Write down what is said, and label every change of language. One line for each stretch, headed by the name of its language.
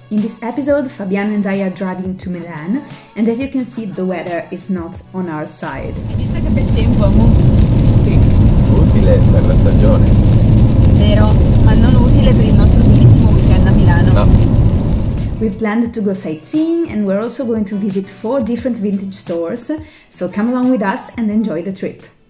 English: In this episode, Fabiano and I are driving to Milan, and as you can see, the weather is not on our side.
Italian: Hai visto che bel tempo, amore? Sì, utile per la stagione. Vero, ma non utile per il nostro bellissimo weekend a Milano. No.
English: We've planned to go sightseeing, and we're also going to visit four different vintage stores, so come along with us and enjoy the trip.